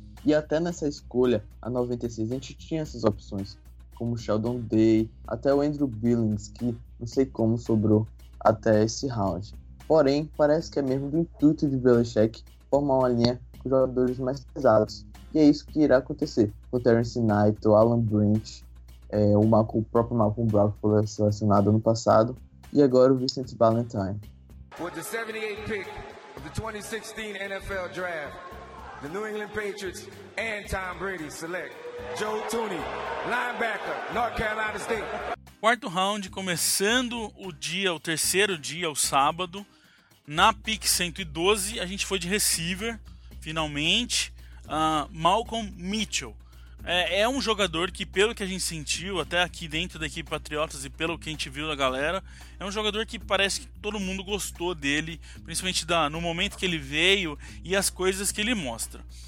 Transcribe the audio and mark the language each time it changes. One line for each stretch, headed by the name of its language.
Portuguese: E até nessa escolha, a 96, a gente tinha essas opções, como Sheldon Day, até o Andrew Billings, que não sei como sobrou até esse round. Porém, parece que é mesmo do intuito de Belichick formar uma linha com jogadores mais pesados. E é isso que irá acontecer. O Terrence Knight, o Alan Branch, o próprio Malcolm Brown foi selecionado ano passado. E agora o Vincent Valentine.
English: with the 78th pick of the 2016 NFL Draft, the New England Patriots and Tom Brady select Joe Tooney, linebacker, North Carolina State.
Portuguese: Quarto round, começando o dia, o terceiro dia, o sábado, na pick 112, a gente foi de receiver, finalmente, Malcolm Mitchell. É um jogador que, pelo que a gente sentiu até aqui dentro da equipe Patriotas e pelo que a gente viu da galera, é um jogador que parece que todo mundo gostou dele, principalmente no momento que ele veio e as coisas que ele mostra.